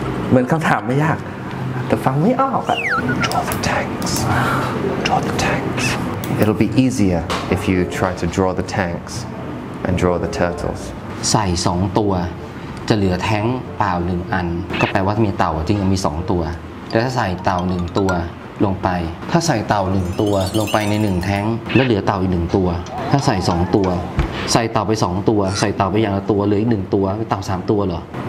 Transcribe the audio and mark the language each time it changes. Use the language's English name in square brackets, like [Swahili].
[Thai] เหมือนคำถามไม่ยากแต่ฟังไม่ออกอ่ะ [English] draw the tanks it'll be easier if you try to draw the tanks and draw the turtles [Thai] ใส่สองตัวจะเหลือแทงเปล่าหนึ่งอันก็แปลว่ามีเต่าจริงมีสองตัวแต่ถ้าใส่เต่าหนึ่งตัวลงไปถ้าใส่เต่าหนึ่งตัวลงไปในหนึ่งแทงแล้วเหลือเต่าอีกหนึ่งตัวถ้าใส่สองตัวใส่เต่าไปสองตัวใส่เต่าไปอย่างละตัวเหลืออีกหนึ่งตัวเต่าสามตัวเหรอ